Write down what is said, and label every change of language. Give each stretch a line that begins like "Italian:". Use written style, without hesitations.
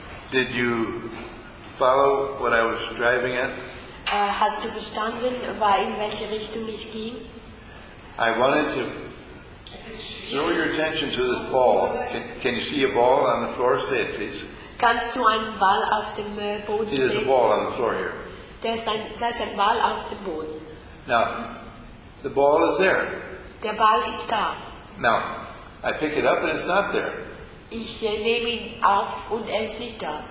English: Did you follow what I was driving at?
German: Hast du verstanden, in welche Richtung ich ging?
English: I wanted to throw your attention to this ball. Can you see a ball on the floor? Say it, please.
German: Kannst du einen Ball auf dem Boden sehen?
English: There's a ball on the floor here.
German: Da ist ein Ball auf dem Boden.
English: Now, the ball is there.
German: Der Ball ist da.
English: Now, I pick it up and it's not there.
German: Ich nehme ihn auf und er ist nicht da.